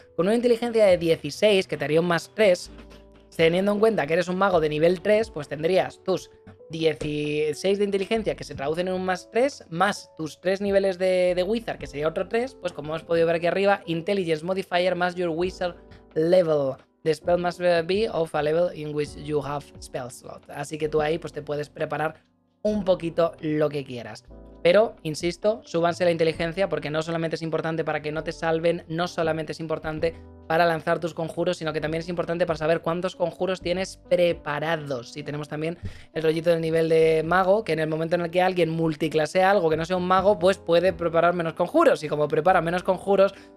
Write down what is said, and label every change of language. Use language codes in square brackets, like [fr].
[es] Con una inteligencia de 16, que te haría un más 3, teniendo en cuenta que eres un mago de nivel 3, pues tendrías tus 16 de inteligencia, que se traducen en un más 3, más tus 3 niveles de wizard, que sería otro 3, pues como hemos podido ver aquí arriba, [en] intelligence modifier más your wizard level. The spell must be of a level in which you have spell slot. [es] Así que tú ahí pues te puedes preparar un poquito lo que quieras. Pero, insisto, súbanse la inteligencia porque no solamente es importante para que no te salven, no solamente es importante para lanzar tus conjuros, sino que también es importante para saber cuántos conjuros tienes preparados. Y tenemos también el rollito del nivel de mago, que en el momento en el que alguien multiclasea algo que no sea un mago, pues puede preparar menos conjuros. Y como prepara menos conjuros,